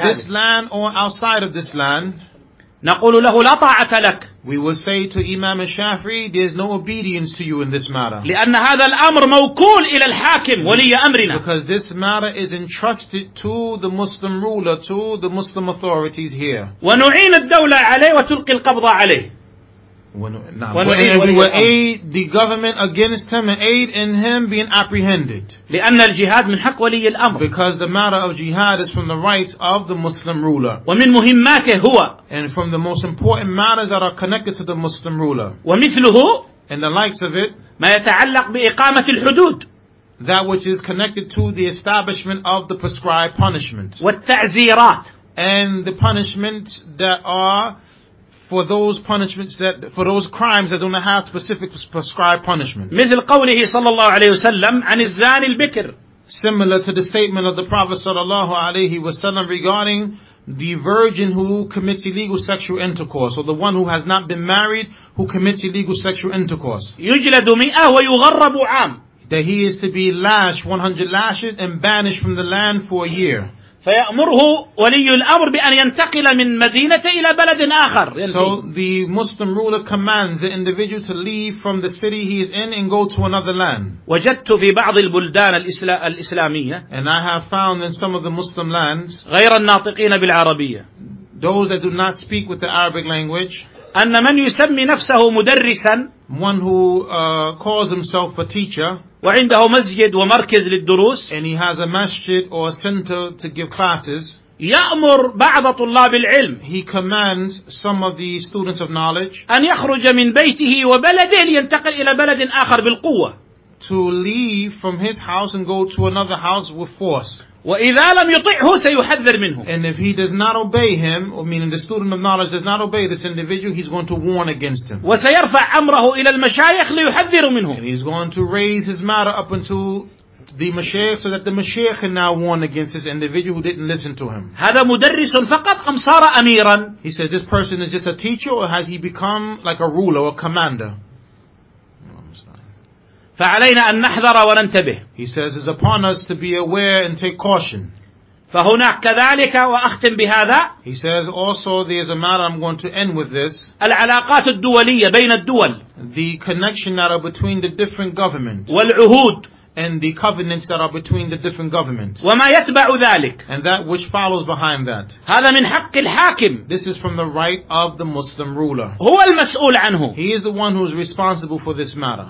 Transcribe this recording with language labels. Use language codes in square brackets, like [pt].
[en] this land or outside of this land [ar] نقول له لا طاعة لك [en] we will say to Imam al-Shafi'i there's no obedience to you in this matter [ar] لأن هذا الأمر موكول إلى الحاكم ولي أمرنا [en] because this matter is entrusted to the Muslim ruler to the Muslim authorities here [ar] ونعين الدولة عليه وتلقي القبض عليه [en] ونعين we aid the government against him and aid in him being apprehended [ar] لأن الجهاد من حق ولي الأمر [en] because the matter of jihad is from the rights of the Muslim ruler [ar] ومن مهماته هو [en] and from the most important matters that are connected to the Muslim ruler [ar] ومثله [en] and the likes of it [ar] ما يتعلق بإقامة الحدود [en] that which is connected to the establishment of the prescribed punishments [ar] والتعزيرات [en] and the punishments that are for those punishments that for those crimes that don't have specific prescribed punishments [ar] مثل قوله صلى الله عليه وسلم عن الزاني البكر [en] similar to the statement of the prophet [ar] صلى الله عليه وسلم [en] regarding the virgin who commits illegal sexual intercourse or the one who has not been married who commits illegal sexual intercourse [ar] يجلد مئة ويغرب عام [en] that he is to be lashed 100 lashes and banished from the land for a year [ar] فيأمره ولي الأمر بأن ينتقل من مدينة إلى بلد آخر. [en] So the Muslim ruler commands the individual to leave from the city he is in and go to another land. [ar] وجدت في بعض البلدان الإسلامية. [en] And I have found in some of the Muslim lands. [ar] غير الناطقين بالعربية. [en] those that do not speak with the Arabic language, [ar] أن من يسمي نفسه مدرسا, [en] one who calls himself a teacher, [ar] وعنده مسجد ومركز للدروس, [en] and he has a masjid or a center to give classes, [ar] يأمر بعض طلاب العلم, [en] he commands some of the students of knowledge, [ar] أن يخرج من بيته وبلده لينتقل إلى بلد آخر بالقوة, [en] to leave from his house and go to another house with force. [ar] وإذا لم يطعه سيحذر منه. [en] And if he does not obey him, or meaning the student of knowledge does not obey this individual, he's going to warn against him. [ar] وسيرفع أمره إلى المشايخ ليحذروا منه. [en] And he's going to raise his matter up into the mashayikh so that the mashayikh can now warn against this individual who didn't listen to him. [ar] هذا مدرس فقط أم صار أميرا؟ [en] He said, this person is just a teacher, or has he become like a ruler or a commander? [ar] فعلينا أن نحذر وننتبه. [en] He says it's upon us to be aware and take caution. [ar] فهناك كذلك وأختم بهذا. [en] He says also there's a matter I'm going to end with this. [ar] العلاقات الدولية بين الدول. [en] The connection that are between the different governments. [ar] والعهود. [en] And the covenants that are between the different governments. [ar] وما يتبع ذلك. [en] And that which follows behind that. [ar] هذا من حق الحاكم. [en] This is from the right of the Muslim ruler. [ar] هو المسؤول عنه. [en] He is the one who is responsible for this matter.